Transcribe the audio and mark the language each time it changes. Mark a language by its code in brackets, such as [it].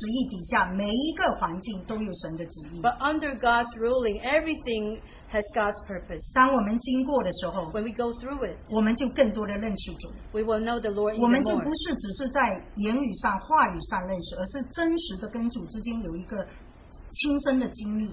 [zh] 但是我们在神的旨意底下，每一个环境都有神的旨意。 [en] But under God's ruling, everything has God's purpose. [zh] 当我们经过的时候, [en] when we go through it, [zh] 我们就更多的认识主, [en] we will know the Lord even [zh] 我们就不是只是在言语上, 话语上认识, 而是真实的跟主之间有一个亲身的经历。